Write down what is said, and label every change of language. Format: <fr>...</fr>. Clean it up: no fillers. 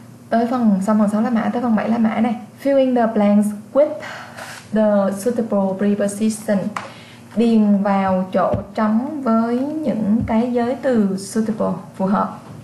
<vi>Xong phần 6 là mã, tới phần 7 là mã này.</vi> <en>Fill in the blanks with the suitable preposition.</en> <vi>Điền vào chỗ trống với những cái giới từ suitable, phù hợp.</vi>